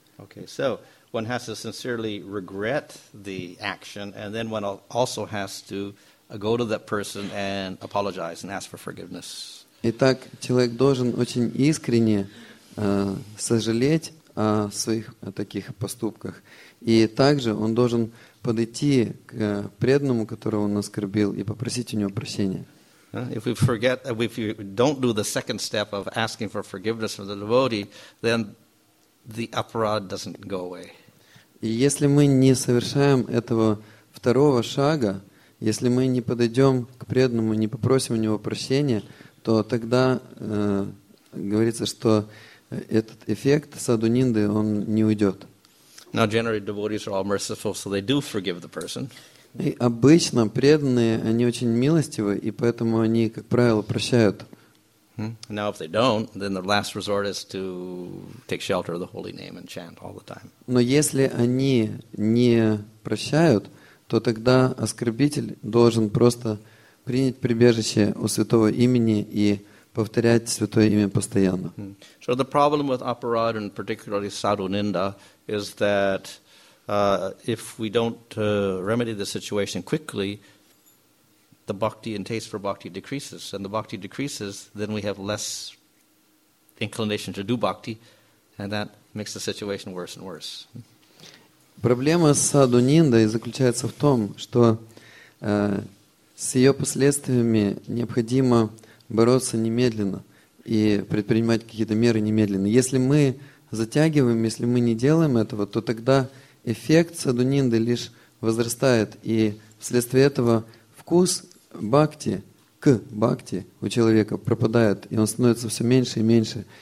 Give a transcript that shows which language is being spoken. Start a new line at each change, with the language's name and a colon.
English: Okay, so one has to sincerely regret the action, and then one also has to go to that person and apologize and ask for forgiveness.
Russian: Итак, человек должен очень искренне сожалеть о своих таких поступках. И также он должен подойти к преданному, которого он оскорбил, и попросить у него прощения.
English: If we forget, if we don't do the second step of asking for forgiveness from the devotee, then the aparad doesn't go away.
Russian: И если мы не совершаем этого второго шага, если мы не подойдем к преданному, не попросим у него прощения, то тогда говорится, что этот эффект саду нинды, он не уйдет.
English: Now, generally, devotees are all merciful, so they do forgive the person.
Russian: И обычно преданные, они очень милостивы, и поэтому они, как правило, прощают.
English: Now, if they don't, then the last resort is to take shelter of the holy name and chant all the time.
Russian: Но если они не прощают, то тогда оскорбитель должен просто принять прибежище у святого имени и повторять святое имя постоянно.
English: So the problem with aparad and particularly sadhu ninda is that if we don't remedy the situation quickly, the bhakti and taste for bhakti decreases. And the bhakti decreases, then we have less inclination to do bhakti, and that makes the situation worse and worse.
Russian: Проблема с саду Ниндой заключается в том, что с ее последствиями необходимо бороться немедленно и предпринимать какие-то меры немедленно. Если мы затягиваем, если мы не делаем этого, то тогда эффект саду Нинды лишь возрастает, и вследствие этого вкус бхакти к бхакти у человека пропадает, и он становится все меньше и меньше.